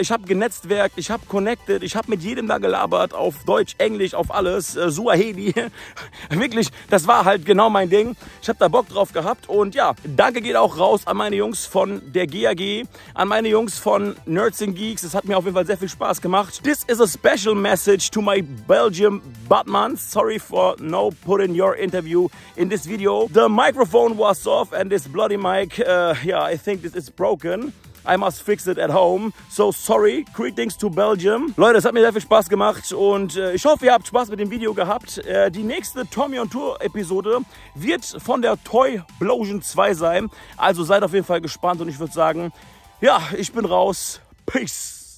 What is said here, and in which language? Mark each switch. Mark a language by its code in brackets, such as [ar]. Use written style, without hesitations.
[de] Ich habe genetzwerkt, ich habe connected. Ich habe mit jedem da gelabert. Auf Deutsch, Englisch, auf alles. Suaheli. Wirklich, das war halt genau mein Ding. Ich habe da Bock drauf gehabt. Und ja, danke geht auch raus an meine Jungs von der GAG. An meine Jungs von Nerds and Geeks. Es hat mir auf jeden Fall sehr viel Spaß gemacht. [en] This is a special message to my Belgium Batman. Sorry for no putting your interview in this video. The microphone was off and this bloody mic, yeah, I think this is broken. I must fix it at home. So sorry, greetings to Belgium. [de] Leute, es hat mir sehr viel Spaß gemacht und ich hoffe, ihr habt Spaß mit dem Video gehabt. Die nächste Tommy on Tour Episode wird von der Toyblosion 2 sein. Also seid auf jeden Fall gespannt und ich würde sagen, ja, ich bin raus. Peace.